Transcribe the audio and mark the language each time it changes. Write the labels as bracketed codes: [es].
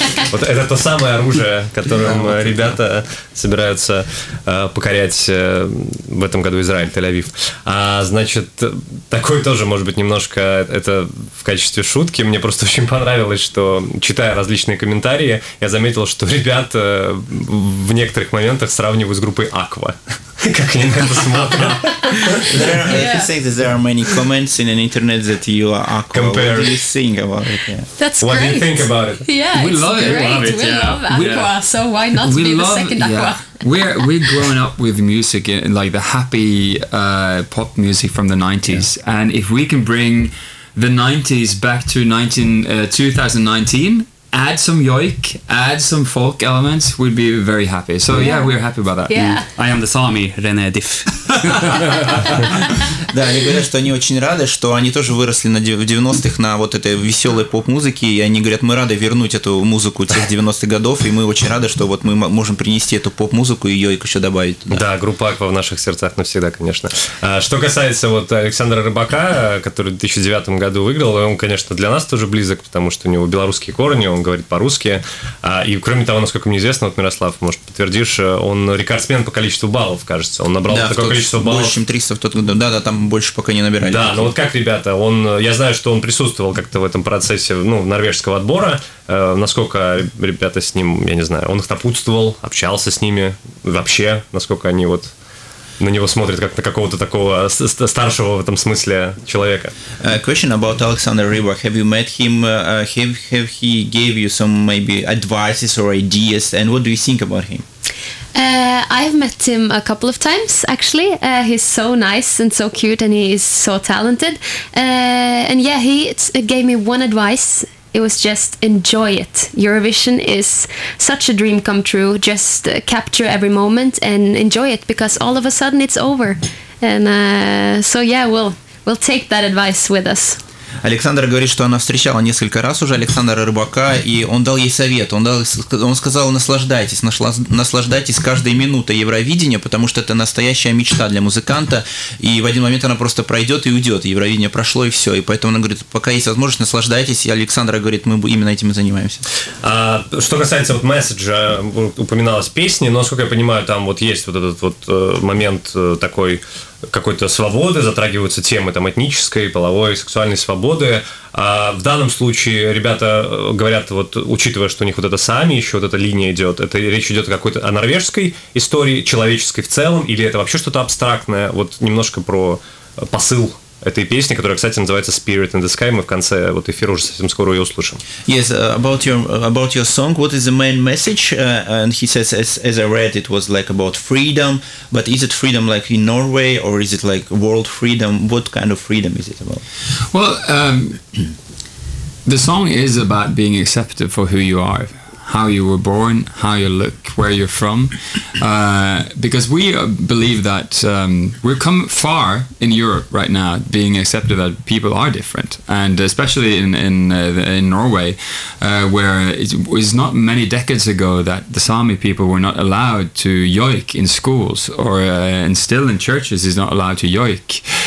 [ru] Вот это то самое оружие, которым ребята собираются покорять в этом году Израиль, Тель-Авив. А значит, такое тоже, может быть, немножко это в качестве шутки. Мне просто очень понравилось, что, читая различные комментарии, я заметил, что ребят в некоторых моментах сравнивают с группой Аква. Как они на это смотрят? [en] If you say that there are many comments in an internet that you are Aqua, compared. What do you think about it? Yeah. That's what great. What do you think about it? Yeah, we love it. We love Aqua, so why not we be love, the second Aqua? Yeah. We're growing up with music, like the happy pop music from the 90s. Yeah. And if we can bring the 90s back to 2019, add some yoik, add some folk elements, we'd be very happy. So yeah, we're happy about that. Yeah. I am the Sami, René Diff. [ru] Да, они говорят, что они очень рады, что они тоже выросли в 90-х на вот этой веселой поп-музыке, и они говорят, мы рады вернуть эту музыку тех 90-х годов, и мы очень рады, что вот мы можем принести эту поп-музыку и йоик еще добавить туда. Да, группа Аква в наших сердцах навсегда, конечно. А что касается вот Александра Рыбака, который в 2009 году выиграл, он, конечно, для нас тоже близок, потому что у него белорусские корни, он говорит по-русски. И кроме того, насколько мне известно, вот Мирослав, может, подтвердишь, он рекордсмен по количеству баллов, кажется. Он набрал такое количество баллов. Больше, чем 300 в тот год. Да, там больше пока не набирали. Да, ну вот как, ребята, он, я знаю, что он присутствовал как-то в этом процессе, ну, норвежского отбора. Насколько ребята с ним, я не знаю, он их напутствовал, общался с ними вообще, насколько они вот на него смотрит как на какого-то такого старшего в этом смысле человека. [en] Question about Alexander Rybak. Have you met him? Have he gave you some maybe advices or ideas? And what do you think about him? I've met him a couple of times, actually. He's so nice and so cute, and he is so talented. And yeah, he gave me one advice. It was just enjoy it. Eurovision is such a dream come true. Just capture every moment and enjoy it, because all of a sudden it's over. And so yeah, we'll take that advice with us. [ru] Александр говорит, что она встречала несколько раз уже Александра Рыбака, и он дал ей совет. Он сказал, наслаждайтесь каждой минутой Евровидения, потому что это настоящая мечта для музыканта, и в один момент она просто пройдет и уйдет. Евровидение прошло, и все. И поэтому она говорит, пока есть возможность, наслаждайтесь. И Александр говорит, мы именно этим и занимаемся. А что касается вот месседжа, упоминалась песня, но, насколько я понимаю, там вот есть вот этот вот момент такой какой-то свободы, затрагиваются темы там этнической, половой, сексуальной свободы. А в данном случае ребята говорят, вот учитывая, что у них вот это сами, еще вот эта линия идет, это речь идет о какой-то о норвежской истории, человеческой в целом, или это вообще что-то абстрактное? Вот немножко про посыл этой песни, которая, кстати, называется Spirit in the Sky. Мы в конце вот эфира уже совсем скоро ее услышим. [en] Yes, about your song, what is the main message? And he says, as I read, it was like about freedom, but is it freedom like in Norway, or is it like world freedom? What kind of freedom is it about? Well, the song is about being accepted for who you are, how you were born, how you look, where you're from, because we believe that we've come far in Europe right now, being accepted that people are different, and especially in Norway, where it was not many decades ago that the Sami people were not allowed to yoik in schools, or and still in churches is not allowed to yoik,